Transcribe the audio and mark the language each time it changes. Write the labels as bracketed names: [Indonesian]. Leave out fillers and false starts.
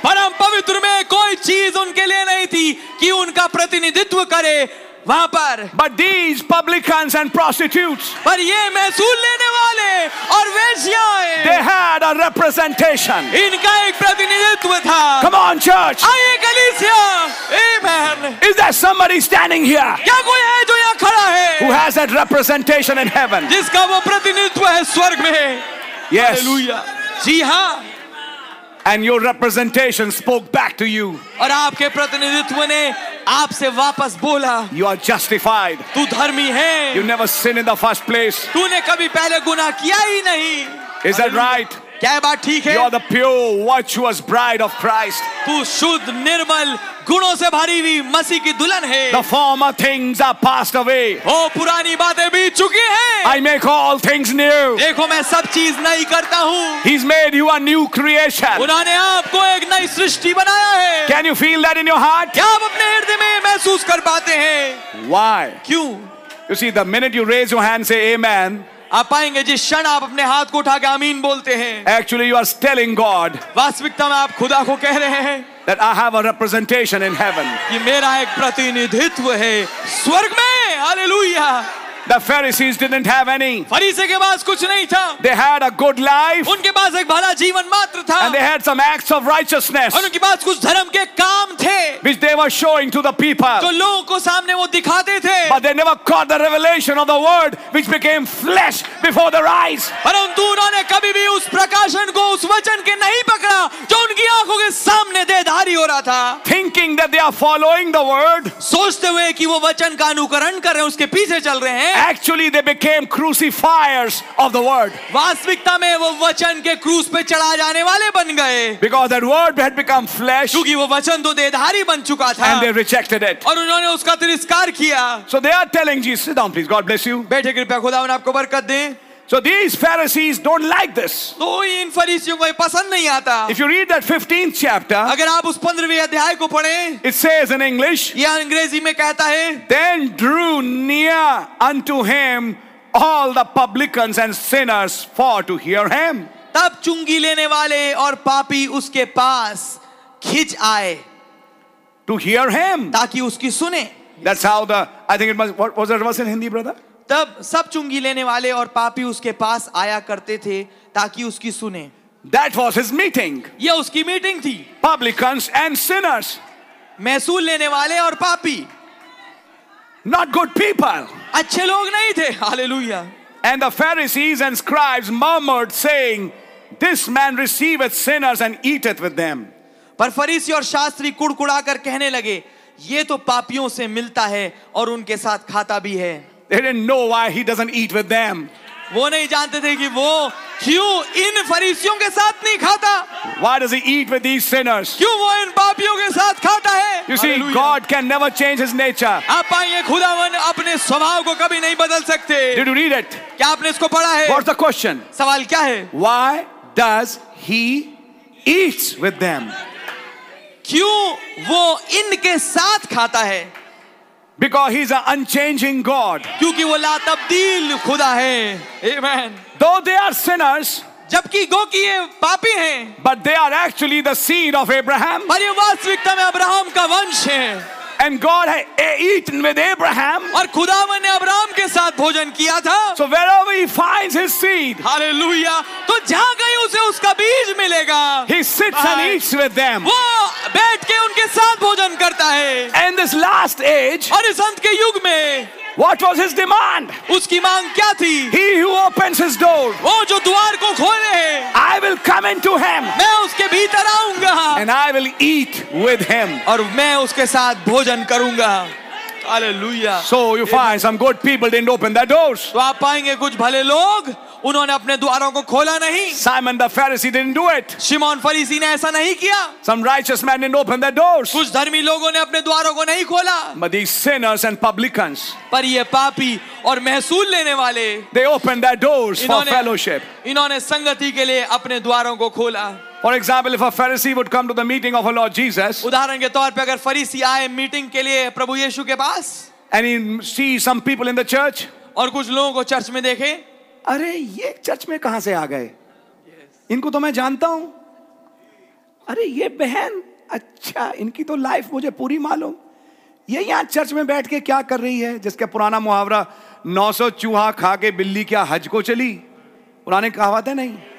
[Hindi] परम पवित्र में कोई चीज उनके लिए नहीं थी कि उनका प्रतिनिधित्व करे वहां पर. [English] But these publicans and prostitutes, [Hindi] पर ये महसूल लेने वाले और वेश्याएं, [English] they had a representation. [Hindi] इनका एक प्रतिनिधित्व था. [English] Come on, church. [Hindi] आइए कलीसिया. Amen. [English] Is there somebody standing here? [Hindi] क्या कोई है जो यहाँ खड़ा है? [English] Who has that representation in heaven? [Hindi] जिसका वो प्रतिनिधित्व है स्वर्ग में. [English] Yes. [Hindi] Hallelujah. जी हाँ. [English] And your representation spoke back to you. [Hindi] और आपके प्रतिनिधित्व ने आपसे वापस बोला. [English] You are justified. [Hindi] तू धर्मी है. [English] You never sinned in the first place. [Hindi] तूने कभी पहले गुनाह किया ही नहीं. [English] Is that right? [Hindi] क्या बात ठीक है? [English] You are the pure, virtuous bride of Christ. [Hindi] तू शुद्ध, निर्मल, गुणों से भरी हुई मसीह की दुल्हन है. [English] The former things are passed away. [Hindi] ओ, पुरानी बातें बीत चुकी हैं. [English] I make all things new. [Hindi] देखो, मैं सब चीज नई करता हूँ. [English] He's made you a new creation. [Hindi] उन्होंने आपको एक नई सृष्टि बनाया है. [English] Can you feel that in your heart? [Hindi] क्या आप अपने हृदय में महसूस कर पाते हैं? [English] Why? [Hindi] क्यों? [English] You see, the minute you raise your hand, say amen. [Hindi] आप पाएंगे जिस क्षण आप अपने हाथ को उठा के आमीन बोलते हैं. [English] Actually, you are telling God. [Hindi] वास्तविकता में आप खुदा को कह रहे हैं. [English] That I have a representation in heaven. [Hindi] कि मेरा एक प्रतिनिधित्व है स्वर्ग में. [English] Hallelujah. The Pharisees didn't have any. [Hindi] फरीसे के पास कुछ नहीं था. [English] They had a good life. [Hindi] उनके पास एक भला जीवन मात्र था. [English] And they had some acts of righteousness. [Hindi] और उनके पास कुछ धर्म के काम थे. [English] Which they were showing to the people. [Hindi] तो लोगों को सामने वो दिखाते थे. [English] But they never caught the revelation of the word which became flesh before their eyes. [Hindi] परंतु उन्होंने कभी भी उस प्रकाशन को, उस वचन के नहीं पकड़ा जो उनकी आंखों के सामने देहधारी हो रहा था. [English] Thinking that they are following the word. [Hindi] सोचते हुए कि वो वचन का अनुकरण कर रहे हैं, उसके पीछे चल रहे हैं. [English] Actually, they became crucifiers of the word. [Hindi] वास्तविकता में वो वचन के क्रूस पे चढ़ा जाने वाले बन गए. [English] Because that word had become flesh. [Hindi] क्योंकि वो वचन तो देहधारी बन चुका था. [English] And they rejected it. [Hindi] और उन्होंने उसका तिरस्कार किया. [English] So they are telling Jesus, "Sit down, please. God bless you." [Hindi] बैठे कृपया खुदा उन्हें आपको बरकत दे. [English] So these Pharisees don't like this. [Hindi] तो इन फरीसियों को पसंद नहीं आता. [English] If you read that 15th chapter, [Hindi] अगर आप उस 15वें अध्याय को पढ़ें, [English] it says in English, [Hindi] यह अंग्रेजी में कहता है, [English] then drew near unto him all the publicans and sinners for to hear him. [Hindi] तब चुंगी लेने वाले और पापी उसके पास खिंच आए. [English] To hear him. [Hindi] ताकि उसकी सुने. [English] That's how the, I think it was, what was the verse in Hindi, brother? [Hindi] तब सब चुंगी लेने वाले और पापी उसके पास आया करते थे ताकि उसकी सुने. [English] That was his meeting. [Hindi] ये उसकी मीटिंग थी. [English] Publicans and sinners. [Hindi] महसूल लेने वाले और पापी. [English] Not good people. [Hindi] अच्छे लोग नहीं थे. Hallelujah. [English] And the Pharisees and scribes murmured saying, this man receiveth sinners and eateth with them. [Hindi] पर फरीसी और शास्त्री कुड़कुड़ा कर कहने लगे, ये तो पापियों से मिलता है और उनके साथ खाता भी है. [English] They didn't know why he doesn't eat with them. [Hindi] वो नहीं जानते थे कि वो क्यों इन फरीसियों के साथ नहीं खाता. [English] Why does he eat with these sinners? [Hindi] क्यों वो इन पापियों के साथ खाता है? [English] You see, Hallelujah. God can never change his nature. [Hindi] आप पाएंगे खुदावन अपने स्वभाव को कभी नहीं बदल सकते. [English] Did you read it? [Hindi] क्या आपने इसको पढ़ा है? [English] What's the question? [Hindi] सवाल क्या है? [English] Why does he eat with them? [Hindi] क्यों वो इनके साथ खाता है? [English] Because he's an unchanging God. [Hindi] क्योंकि वो लातब्दील खुदा है. [English] Amen. Though they are sinners, [Hindi] जबकि गो कि ये पापी हैं, [English] but they are actually the seed of Abraham. [Hindi] पर ये वास्तविकता में अब्राहम का वंश है. [English] And God had eaten with Abraham. [Hindi] और खुदावन ने अब्राहम के साथ भोजन किया था. [English] So wherever he finds his seed, Hallelujah. [Hindi] तो जहाँ कहीं उसे उसका बीज मिलेगा, [English] he sits and eats with them. [Hindi] वो बैठ के उनके साथ भोजन करता है [English] and this last age [Hindi] और इस अंत के युग में [English] What was his demand? [Hindi] Uski mang kya thi? [English] He who opens his door. [Hindi] Wo jo dwar ko khole. [English] I will come into him. [Hindi] Main uske bhitar aaunga. [English] And I will eat with him. [Hindi] Aur main uske saath bhojan karunga. Hallelujah. [English] So you find some good people didn't open their doors. [Hindi] To aap payenge kuch bhale log उन्होंने अपने द्वारों को खोला नहीं [English] Simon the Pharisee didn't do it. [Hindi] Shimon Pharisee ने ऐसा नहीं किया [English] Some righteous man didn't open their doors. [Hindi] कुछ धर्मी लोगों ने अपने द्वारों को नहीं खोला [English] But these sinners and publicans, [Hindi] पर ये पापी और महसूल लेने वाले [English] they opened their doors for fellowship. [Hindi] इन्होंने संगति के लिए अपने द्वारों को खोला [English] For example, if a Pharisee would come to the meeting of our Lord Jesus, [Hindi] उदाहरण के तौर पर अगर फरीसी आए मीटिंग के लिए प्रभु यीशु के पास [English] and he see some people in the church, [Hindi] और कुछ लोगों को चर्च में देखे अरे ये चर्च में कहां से आ गए इनको तो मैं जानता हूं अरे ये बहन अच्छा इनकी तो लाइफ मुझे पूरी मालूम ये यहां चर्च में बैठ के क्या कर रही है जिसका पुराना मुहावरा 900 चूहा खा के बिल्ली क्या हज को चली पुराने कहावत है नहीं